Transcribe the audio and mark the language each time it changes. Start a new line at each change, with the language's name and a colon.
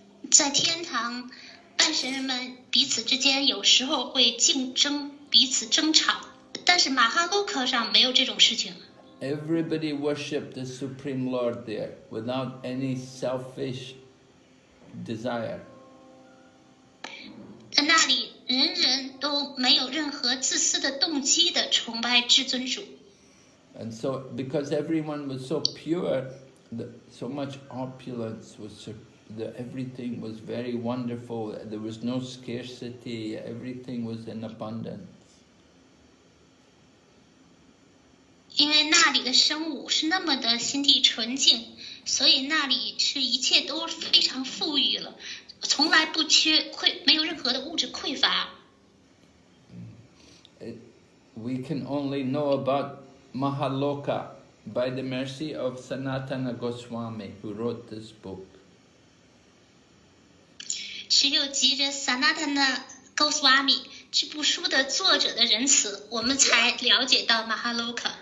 Chinese: 在天堂，半神们彼此之间有时候会竞争，彼此争吵，但是 Mahaloka 上没有这种事情。
English: Everybody worshipped the Supreme Lord there without any selfish desire.
Chinese: 在那里，人人都没有任何自私的动机的崇拜至尊主。
English: And so, because everyone was so pure, so much opulence was, that everything was very wonderful. There was no scarcity. Everything was in abundance.
Chinese: 因为那里的生物是那么的心地纯净，所以那里是一切都非常富裕了，从来不缺，没有任何的物质匮乏。
English: we can only know about Mahaloka by the mercy of Sanatana Goswami, who wrote this book.
Chinese: 只有藉着Sanatana Goswami 这部书的作者的仁慈，我们才了解到 Mahaloka.